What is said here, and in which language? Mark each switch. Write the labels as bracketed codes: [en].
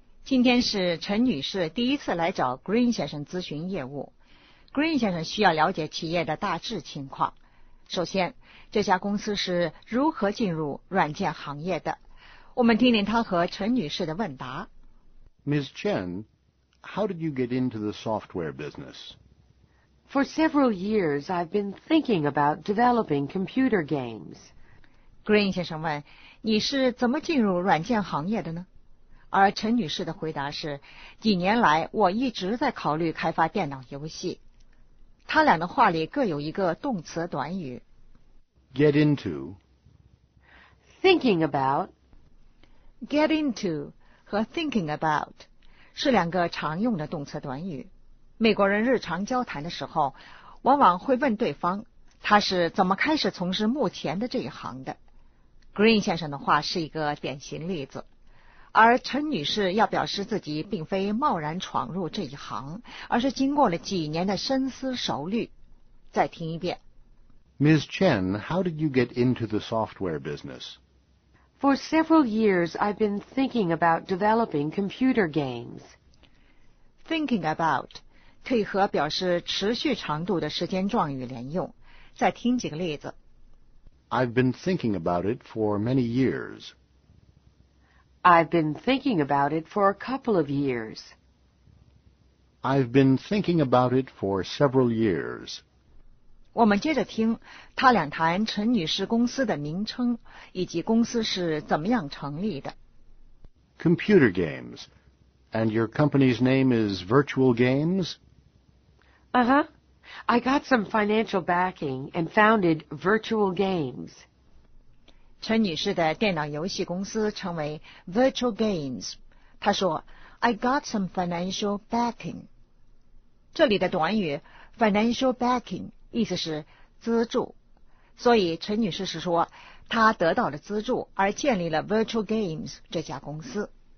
[zh] 今天是陈女士第一次来找 Green 先生咨询业务。 Green 先生需要了解企业的大致情况。首先，这家公司是如何进入软件行业的？我们听听他和陈女士的问答。 [en] Ms. Chen, how did you get into the software business? For several years, I've been thinking about developing computer games. [zh] Green 先生问，你是怎么进入软件行业的呢？而陈女士的回答是，几年来我一直在考虑开发电脑游戏。他俩的话里各有一个动词短语。 [en] Get into. Thinking about. Get into [zh] 和 [en] thinking about [zh] 是两个常用的动词短语。美国人日常交谈的时候，往往会问对方，他是怎么开始从事目前的这一行的。 Green 先生的话是一个典型例子。而陈女士要表示自己并非贸然闯入这一行，而是经过了几年的深思熟虑。再听一遍。 Ms. Chen, how did you get into the software business? For several years, I've been thinking about developing computer games. [en] Thinking about [zh] 可以和表示持续长度的时间状语连用。再听几个例子。 [en] I've been thinking about it for many years. I've been thinking about it for a couple of years. I've been thinking about it for several years. [zh] 我们接着听他俩谈陈女士公司的名称以及公司是怎么样成立的。 [en] Computer games. And your company's name is Virtual Games? Uh-huh. I got some financial backing and founded Virtual Games. [zh] 陈女士的电脑游戏公司称为 Virtual Games。她说 [en] I got some financial backing。 [zh] 这里的短语 [en] financial backing [zh] 意思是资助，所以陈女士是说她得到了资助而建立了 Virtual Games 这家公司。